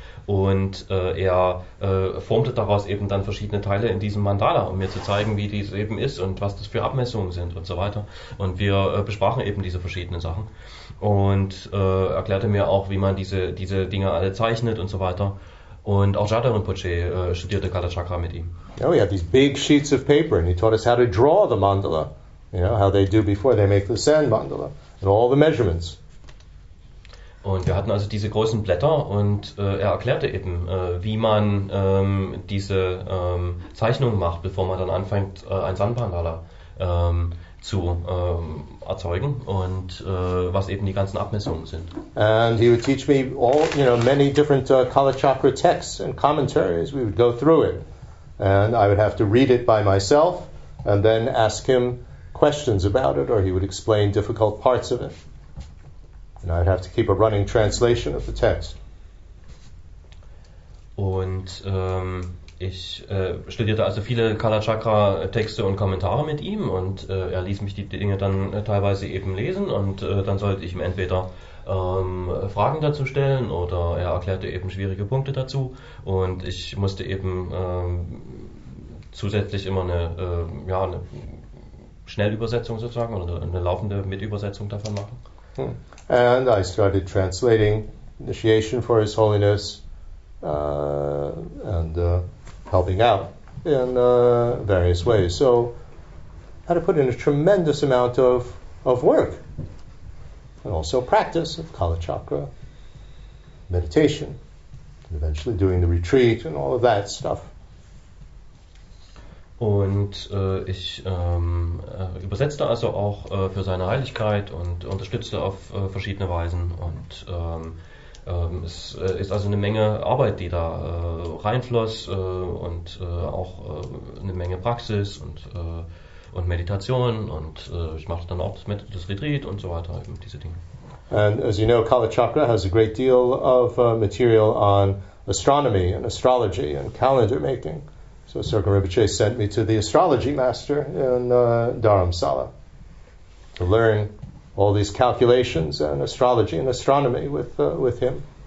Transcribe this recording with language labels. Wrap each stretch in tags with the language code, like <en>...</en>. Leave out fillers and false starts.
<de>Und er formte daraus eben dann verschiedene Teile in diesem Mandala, um mir zu zeigen, wie dies eben ist und was das für Abmessungen sind und so weiter. Und wir besprachen eben diese verschiedenen Sachen und erklärte mir auch, wie man diese Dinge alle zeichnet und so weiter. Und auch Jada Rinpoche studierte Kalachakra mit ihm.</de> <en>Oh, he had these big sheets of paper and he taught us how to draw the mandala, you know, how they do before they make the sand mandala and all the measurements.</en> <de>Und wir hatten also diese großen Blätter, und er erklärte eben, wie man diese Zeichnungen macht, bevor man dann anfängt, ein Sandmandala zu erzeugen, und was eben die ganzen Abmessungen sind.</de> <en>And he would teach me all, you know, many different Kalachakra texts and commentaries. We would go through it, and I would have to read it by myself and then ask him questions about it, or he would explain difficult parts of it. And I'd have to keep a running translation of the text.</en> <de>Und ich studierte also viele Kalachakra-Texte und Kommentare mit ihm, und er ließ mich die Dinge dann teilweise eben lesen, und dann sollte ich ihm entweder Fragen dazu stellen, oder er erklärte eben schwierige Punkte dazu, und ich musste eben zusätzlich immer eine Schnellübersetzung sozusagen, oder eine laufende Mitübersetzung davon machen.</de> <en>And I started translating initiation for His Holiness and helping out in various ways. So how to put in a tremendous amount of work. And also practice of Kalachakra, meditation, and eventually doing the retreat and all of that stuff.</en> <de>Und ich übersetzte also auch für seine Heiligkeit und unterstützte auf verschiedene Weisen. Und es ist also eine Menge Arbeit, die da reinfloss und auch eine Menge Praxis und Meditation. Und ich machte dann auch das Retreat und so weiter, eben diese Dinge.</de> <en>And as you know, Kalachakra has a great deal of material on astronomy and astrology and calendar making. So Sirkin Rinpoche sent me to the astrology master in Dharamsala to learn all these calculations and astrology and astronomy with him.</en>